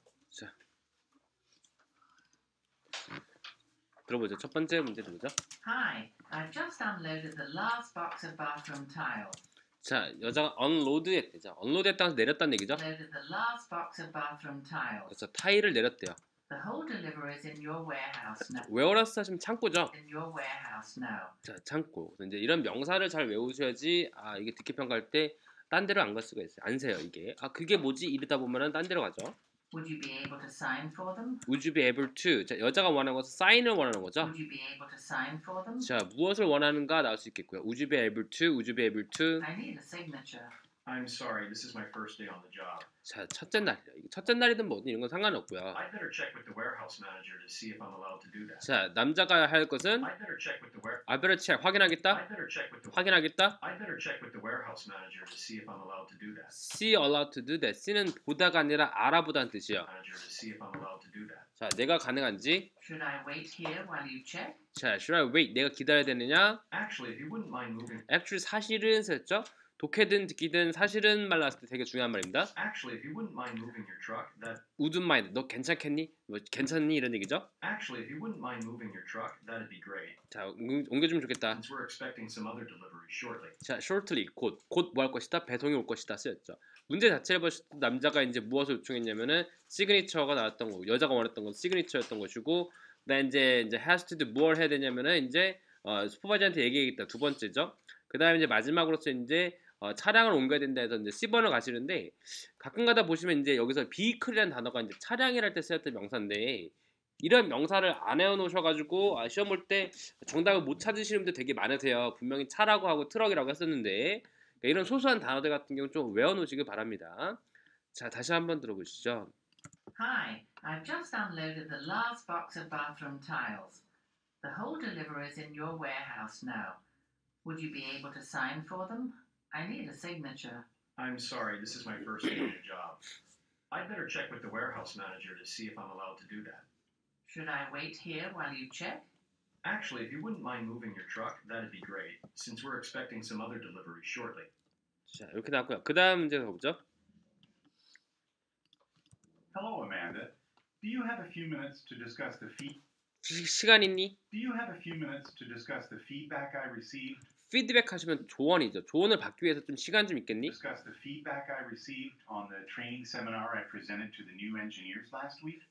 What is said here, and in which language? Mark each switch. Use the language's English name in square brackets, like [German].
[English] So. [Korean] 들어보죠. 첫 번째 문제 들어보죠. [English] Hi, I've just unloaded the last box of bathroom tiles. [Korean] 자, 여자가 unload했대죠. unload했다는 내렸다는 얘기죠. [English] Loaded the last box of bathroom tiles. [Korean] 그래서 타일을 내렸대요. [English] The whole delivery is in your warehouse now. [Korean] 웨어하우스 하시면 창고죠. [English] In your warehouse now. [Korean] 자, 창고. 이제 이런 명사를 잘 외우셔야지 아 이게 듣기 평가할 때 딴 데로 안 갈 수가 있어요. 안 세요 이게. 아 그게 뭐지 이러다 보면은 딴 데로 가죠. [English] Would you be able to sign for them? Would you be able to? [Korean] 자, 여자가 원하는 것은 sign을 원하는 거죠. [English] Would you be able to sign for them? [Korean] 자, 무엇을 원하는가 나올 수 있겠고요. [English] Would you be able to? Would you be able to? I need a signature. I'm sorry, this is my first day on the job. [Korean] 자, 첫째 날이요. 첫째 날이든 뭐든 이런 건 상관없고요. [English] I'd better check with the warehouse manager to see if I'm allowed to do that. [Korean] 자, 남자가 할 것은 [English] I'd better check with the warehouse. I'd better check. [Korean] 확인하겠다. [English] I'd better check with the [Korean] 확인하겠다. [English] I'd better check with the warehouse manager to see if I'm allowed to do that. See allowed to do that. [Korean] See는 보다가 아니라 알아보다는 뜻이요. [English] Manager to see if I'm allowed to do that. [Korean] 자, 내가 가능한지. [English] Should I wait here while you check? [Korean] 자, [English] should I wait? [Korean] 내가 기다려야 되느냐? [English] Actually, if you wouldn't mind moving. [Korean] Actually, 사실은 그랬죠? 독해든 듣기든 사실은 말랐을 때 되게 중요한 말입니다. [English] Actually, if you wouldn't mind moving your truck, that wouldn't mind. [Korean] 너 괜찮겠니? 뭐 괜찮니 이런 얘기죠? [English] Actually, if you wouldn't mind moving your truck, that'd be great. [Korean] 자, 옮겨주면 좋겠다. [English] Since we're expecting some other delivery shortly. [Korean] 자, shortly 곧 뭐 할 것이다. 배송이 올 것이다 쓰였죠. 문제 자체를 보실 때 남자가 이제 무엇을 요청했냐면은 시그니처가 나왔던 거고 여자가 원했던 건 시그니처였던 것이고, 나 이제 [English] has to do [Korean] 뭘 해야 되냐면은 이제 슈퍼바이저한테 얘기하겠다. 두 번째죠. 그 다음에 이제 마지막으로서 이제 차량을 옮겨야 된다 해서 이제 C번을 가시는데, 가끔 가다 보시면 이제 여기서 vehicle이라는 단어가 이제 차량이랄 때 쓰였던 명사인데, 이런 명사를 안 해놓으셔가지고 시험 볼 때 정답을 못 찾으시는 분들 되게 많으세요. 분명히 차라고 하고 트럭이라고 했었는데, 그러니까 이런 소소한 단어들 같은 경우는 좀 외워놓으시길 바랍니다. 자, 다시 한번 들어보시죠. [English] Hi, I've just unloaded the last box of bathroom tiles. The whole deliveries in your warehouse now. Would you be able to sign for them? I need a signature. I'm sorry, this is my first day on the job. I'd better check with the warehouse manager to see if I'm allowed to do that. Should I wait here while you check? Actually, if you wouldn't mind moving your truck, that'd be great, since we're expecting some other deliveries shortly. [Korean] 자, 이렇게 나왔고요. 그 다음 문제는 가보죠. [English] Hello, Amanda. Do you have a few minutes to discuss the fee? [Korean] 시간 있니? [English] Do you have a few minutes to discuss the feedback I received? [Korean] 피드백 하시면 조언이죠. 조언을 받기 위해서 좀 시간 좀 있겠니? [English] Discuss the feedback I received on the training seminar I presented to the new engineers last week.